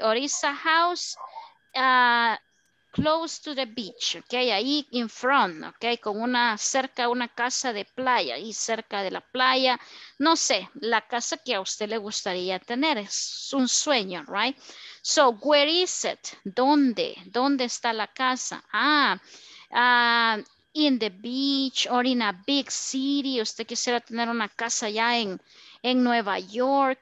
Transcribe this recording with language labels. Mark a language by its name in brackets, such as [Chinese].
[English] Or is a house close to the beach, okay? Ahí in front, okay? [Spanish] Con una cerca, una casa de playa, ahí cerca de la playa. No sé, la casa que a usted le gustaría tener es un sueño, right? [English] So, where is it? [Spanish] ¿Dónde? ¿Dónde está la casa? [English] Ah, in the beach or in a big city. [Spanish] Usted quisiera tener una casa ya en Nueva York.